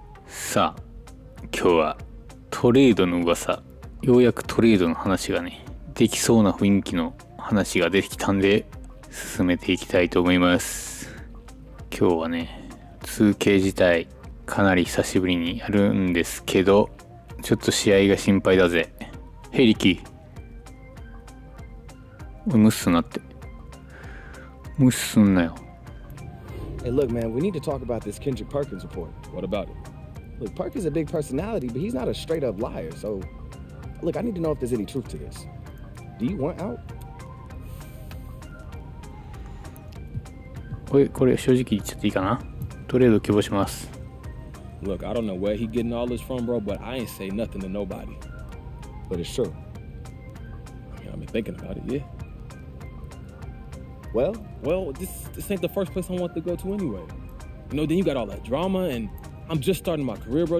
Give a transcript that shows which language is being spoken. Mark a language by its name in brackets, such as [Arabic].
[Japanese] さあ、今日はトレードの噂、ようやくトレードの話がね、できそうな雰囲気の話ができたんで進めていきたいと思います。今日はね、通勤自体かなり久しぶりにやるんですけど、ちょっと試合が心配だぜ。ヘリキ、おい、無視すんなって。無視すんなよ。 [English] Hey look man, we need to talk about this Kendrick Perkins report. What about it? Look, Perk is a big personality, but he's not a straight up liar. So, look, I need to know if there's any truth to this. Do you want out? [Japanese] おい、これ正直言っちゃっていいかな。トレード希望します。 [English] Look, I don't know where he getting all this from, bro, but I ain't say nothing to nobody. But it's true. I mean, I've been thinking about it, yeah. Well, this ain't the first place I want to go to anyway. You know, then you got all that drama, and I'm just starting my career, bro.